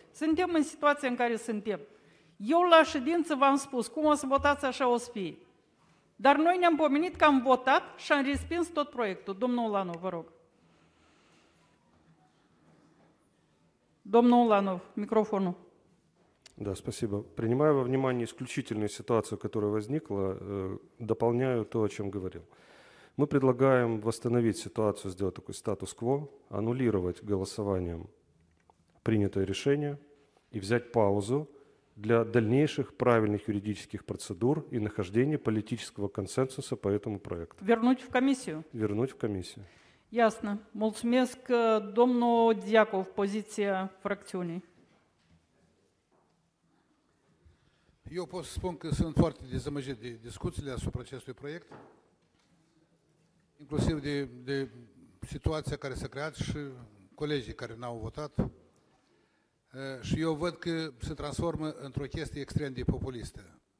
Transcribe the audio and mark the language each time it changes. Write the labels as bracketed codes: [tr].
[ro] Suntem în situația în care suntem. Eu la ședință v-am spus, cum o să votați, așa o să fie. Dar noi ne-am pomenit că am votat și am respins tot proiectul. Domnul Ulanov, vă rog. Domnul Ulanov, microfonul. [ru] Да, спасибо. Принимая во внимание исключительную ситуацию, которая возникла, дополняю то, о чем говорил. Мы предлагаем восстановить ситуацию, сделать такой статус-кво, аннулировать голосованием принятое решение и взять паузу для дальнейших правильных юридических процедур и нахождения политического консенсуса по этому проекту. Вернуть в комиссию? Вернуть в комиссию. Ясно. [ro] Мулцмеск, домну Дьяков, позиция фракционей. Eu pot să spun că sunt foarte dezamăgit de discuțiile asupra acestui proiect, inclusiv de situația care s-a creat și colegii care n-au votat. Și eu văd că se transformă într-o chestie extrem de populistă.